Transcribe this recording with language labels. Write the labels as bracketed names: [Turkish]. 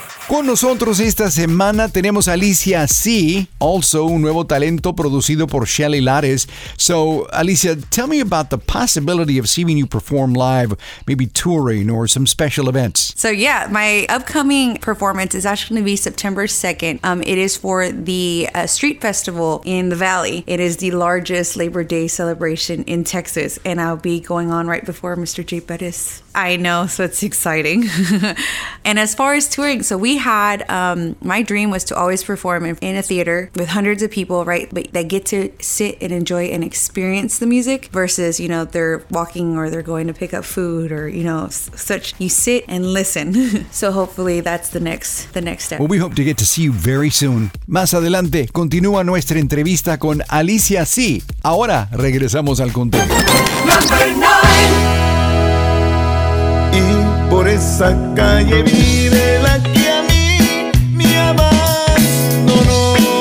[Spanish] Con nosotros esta semana tenemos Alicia C., also un nuevo talento producido por Shelly Lares. [English] So, Alicia, tell me about the possibility of seeing you perform live, maybe touring or some special events. So, yeah, my upcoming performance is actually going to be September 2nd. It is for the Street Festival in the Valley. It is the largest Labor Day celebration in Texas, and I'll be going on right before Mr. J. Bettis. I know, so it's exciting. And as far as touring, so we had, my dream was to always perform in a theater with hundreds of people, right? But they get to sit and enjoy and experience the music versus, you know, they're walking or they're going to pick up food or, you know, such. You sit and listen. So hopefully that's the next step. Well, we hope to get to see you very soon. [Spanish] Más adelante, continúa nuestra entrevista con Alicia C. Ahora regresamos al conteo. [English] Number 9. [Spanish] Y por esa calle vive la que a mí me amas, no, no.